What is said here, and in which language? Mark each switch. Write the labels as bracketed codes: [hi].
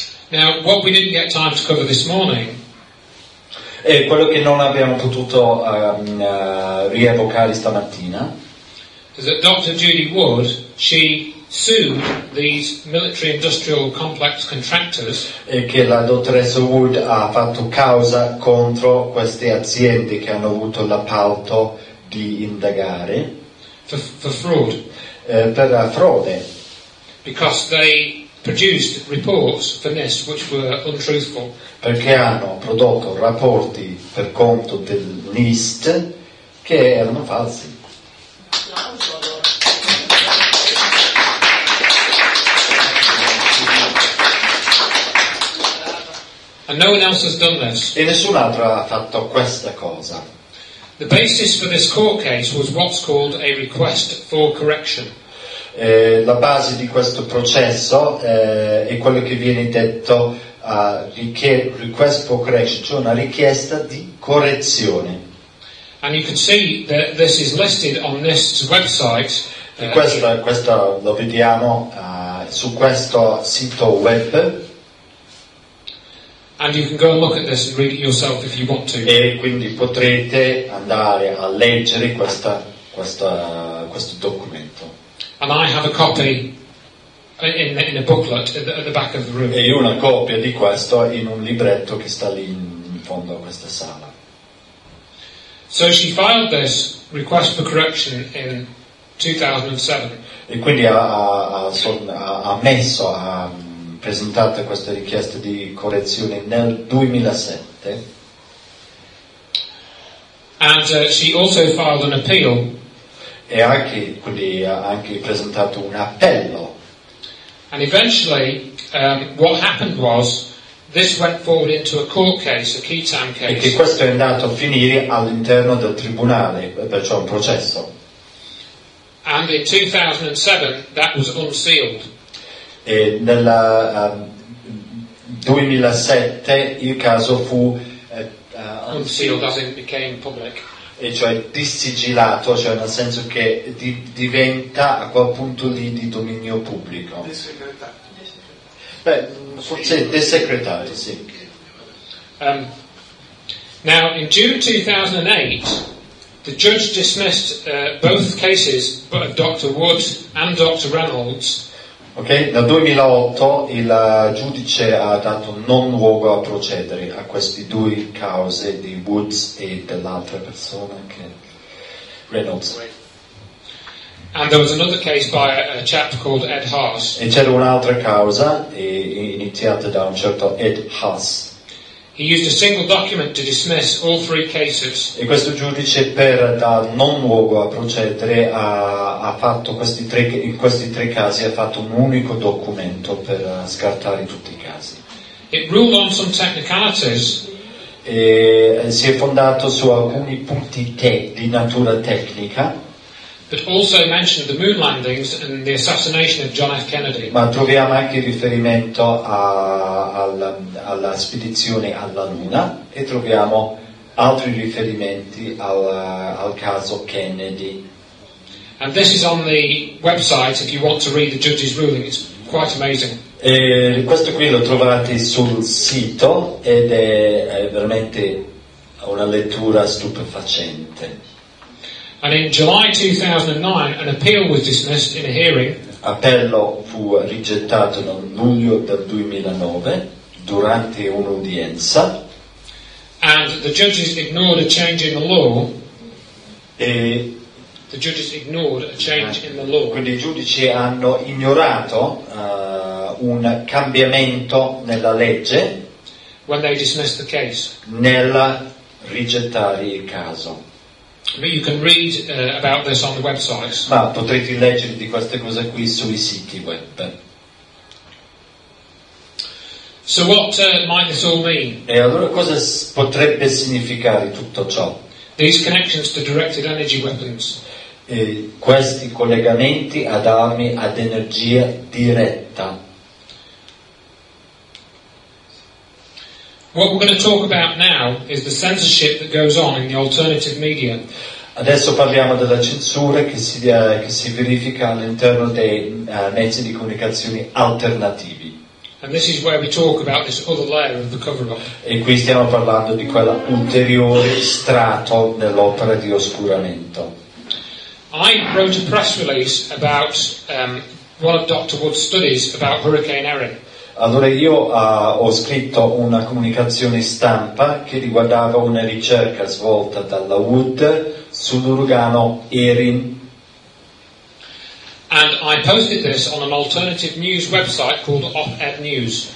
[en] Now, what we didn't get time to cover this morning. [it] E quello che non abbiamo potuto rievocare stamattina. [en] Is that Dr. Judy Wood, she sued these military industrial complex contractors. [it] E che la dottoressa Wood ha fatto causa contro queste aziende che hanno avuto l'appalto di indagare. [en] For fraud. [it] Per la frode. [en] Because they produced reports for NIST which were untruthful. [it] Perché hanno prodotto rapporti per conto del NIST che erano falsi. [en] And no one else has done this. [it] E nessun altro ha fatto questa cosa. [en] The basis for this court case was what's called a request for correction. [it] La base di questo processo è quello che viene detto [en] request for correction, [it] cioè una richiesta di correzione. [en] And you can see that this is listed on NIST's website. [it] E questo lo vediamo su questo sito web. [en] And you can go look at this and read it yourself if you want to. [it] E quindi potrete andare a leggere questo documento. [en] And I have a copy in a booklet at the back of the room. [it] E io una copia di questo in un libretto che sta lì in fondo a questa sala. [en] So she filed this request for correction in 2007. [it] E quindi ha presentato questa richiesta di correzione nel 2007. [en] And she also filed an appeal. [it] E anche quindi ha anche presentato un appello. [en] And eventually, what happened was. This went forward into a court case, a Qitan case. [it] E che questo è andato a finire all'interno del tribunale, perciò un processo. [en] And in 2007 that was unsealed. [it] E nella 2007 il caso fu [en] unsealed, as it became public. [it] E cioè dissigillato, cioè nel senso che diventa a quel punto lì di dominio pubblico. Forse desecretato, sì. [en] Now, in June 2008, the judge dismissed both cases of Dr. Wood and Dr. Reynolds. [it] Ok, nel 2008 il giudice ha dato non luogo a procedere a queste due cause di Woods e dell'altra persona, che Reynolds. [en] And there was another case by a chap called Ed Haas. [it] E c'era un'altra causa iniziata da un certo Ed Haas. [en] He used a single document to dismiss all three cases. [it] E questo giudice, per dar non luogo a procedere, ha fatto questi tre, in questi tre casi ha fatto un unico documento per scartare tutti i casi. [en] It ruled on some technicalities. [it] E si è fondato su alcuni punti di natura tecnica. [en] But also mentioned the moon landings and the assassination of John F. Kennedy. [it] Ma troviamo anche riferimento alla spedizione alla Luna e troviamo altri riferimenti al caso Kennedy. [en] And this is on the website if you want to read the judge's ruling. It's quite amazing. [it] E questo qui lo trovate sul sito ed è veramente una lettura stupefacente. [en] And in July 2009, an appeal was dismissed in a hearing. [it] Appello fu rigettato nel luglio del 2009 durante un'udienza. [en] And the judges ignored a change in the law. [it] E [en] the judges ignored a change in the law. [it] Quindi i giudici hanno ignorato un cambiamento nella legge. [en] When they dismissed the case. [it] Nel rigettare il caso. [en] But you can read about this on the website. [it] Ma potrete leggere di queste cose qui sui siti web. [en] So what might this all mean? [it] E allora cosa potrebbe significare tutto ciò? [en] These connections to directed energy weapons. [it] E questi collegamenti ad armi ad energia diretta. [en] What we're going to talk about now is the censorship that goes on in the alternative media. [it] Adesso parliamo della censura che si verifica all'interno dei mezzi di comunicazione alternativi. [en] And this is where we talk about this other layer of the cover-up. [it] E qui stiamo parlando di quella ulteriore strato nell'opera di oscuramento. [en] I wrote a press release about one of Dr. Wood's studies about Hurricane Erin. [it] Allora io ho scritto una comunicazione stampa che riguardava una ricerca svolta dalla Wood sull'uragano Erin. [en] And I posted this on an alternative news website called Op-Ed News.